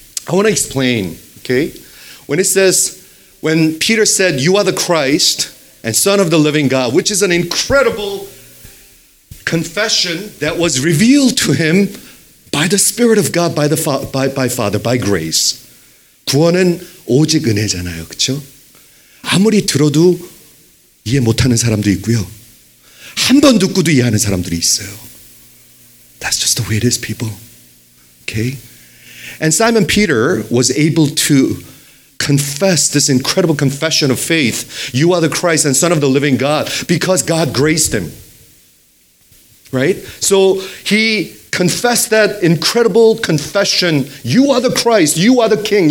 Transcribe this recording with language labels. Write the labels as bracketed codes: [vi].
[en] I want to explain, okay? When it says, when Peter said, you are the Christ and Son of the living God, which is an incredible confession that was revealed to him by the Spirit of God, by Father, by grace. [ko] 구원은 오직 은혜잖아요, 그렇죠? 아무리 들어도 이해 못하는 사람도 있고요. 한 번 듣고도 이해하는 사람들이 있어요. [en] That's just the way it is, people. Okay? And Simon Peter was able to confess this incredible confession of faith. You are the Christ and Son of the living God because God graced him. Right? So he confessed that incredible confession. You are the Christ. You are the King.